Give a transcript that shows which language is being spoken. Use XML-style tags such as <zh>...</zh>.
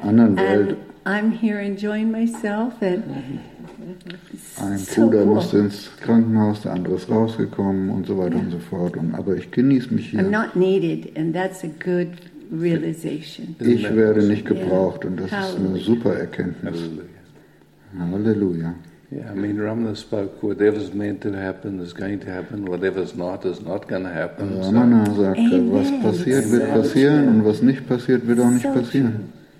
<de>In meiner anderen Welt.</de> <en>And I'm here enjoying myself and</en> <de>ein Bruder musste ins Krankenhaus, der andere ist rausgekommen und so weiter und so fort. Aber ich genieße mich hier.</de> <en>I'm not needed, and that's a good realization.</en> <de>Ich werde nicht gebraucht, und das ist eine super Erkenntnis. Halleluja.</de> <en>Yeah, I mean, Ramana spoke, whatever's meant to happen is going to happen, whatever's not is not going to happen.</en> <de>Ramana sagte, was passiert, wird passieren, und was nicht passiert, wird auch nicht passieren.</de>